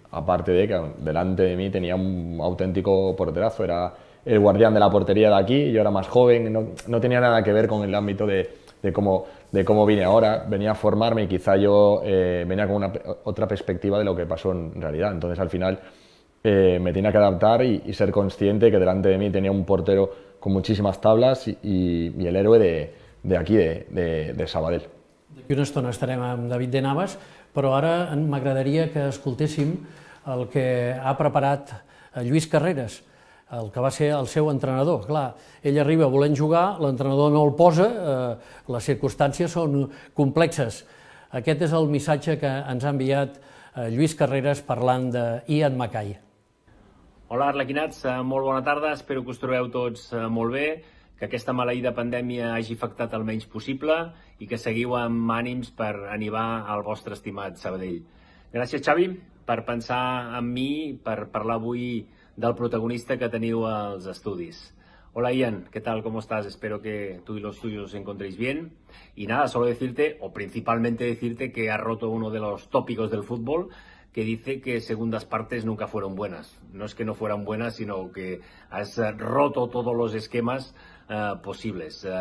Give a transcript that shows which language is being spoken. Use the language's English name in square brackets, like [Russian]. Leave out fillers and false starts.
[Spanish] Aparte de que delante de mí tenía un auténtico porterazo, era el guardián de la portería de aquí, yo era más joven, no tenía nada que ver con el ámbito de cómo vine ahora. Venía a formarme y quizá yo venía con otra perspectiva de lo que pasó en realidad. Entonces al final me tenía que adaptar y ser consciente que delante de mí tenía un portero con muchísimas tablas y el héroe de aquí, de Sabadell. [Catalan] D'aquí una estona estarem amb David de Navas, però ara m'agradaria que escoltéssim el que ha preparat Lluís Carreras, el que va ser el seu entrenador. Clar, ell arriba volent jugar, l'entrenador no el posa, les circumstàncies són complexes. Aquest és el missatge que ens ha enviat Lluís Carreras parlant d'Ian Mackay. Hola, Arlequinats, molt bona tarda. Espero que us trobeu tots molt bé, que aquesta maleïda pandèmia hagi afectat el menys possible i que seguiu amb ànims per animar el vostre estimat Sabadell. Gràcies, Xavi, per pensar en mi, per parlar avui del protagonista que teniu als estudis. [Spanish] Hola, Ian, ¿qué tal? ¿Cómo estás? Espero que tú y los tuyos os encontréis bien. Y nada, solo decirte, o principalmente decirte, que ha roto uno de los tópicos del fútbol que dice que segundas partes nunca fueron buenas. No es que no fueran buenas, sino que has roto todos los esquemas posibles.